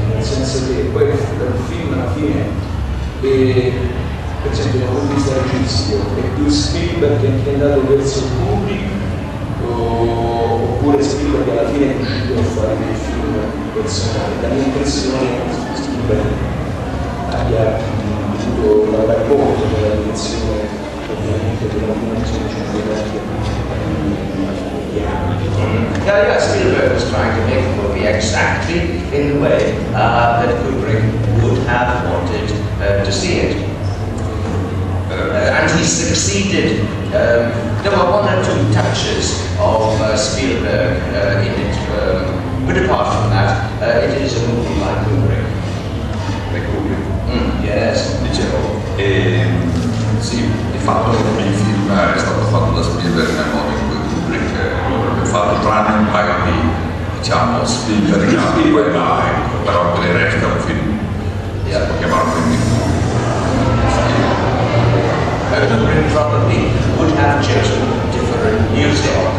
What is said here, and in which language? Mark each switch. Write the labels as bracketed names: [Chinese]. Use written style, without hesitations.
[Italian] Nel senso che poi dal film alla fine per esempio, non ho visto la recensione, è più Spielberg che è andato verso il pubblico oppure Spielberg alla fine è riuscito a fare dei film personali. Da mia impressione che Spielberg abbia dovuto lavorare molto nella direzione ovviamente della dimensione cinematografica di anni. [English] Yeah, Spielberg was trying to make the movie exactly in the way that Kubrick would have wanted to see it. And he succeeded. There were one or two touches of Spielberg in it, but apart from that, it is a movie by Kubrick. By Kubrick? Mm, yes. [Italian] Dicevo. Sì, di fatto il film è stato fatto da Spielberg nel modo in cui Kubrick lo avrebbe fatto, tranne un paio di, diciamo, Spielberg, però per il resto è un film, yeah. Si può chiamare un film di [English] Kubrick probably would have chosen different music.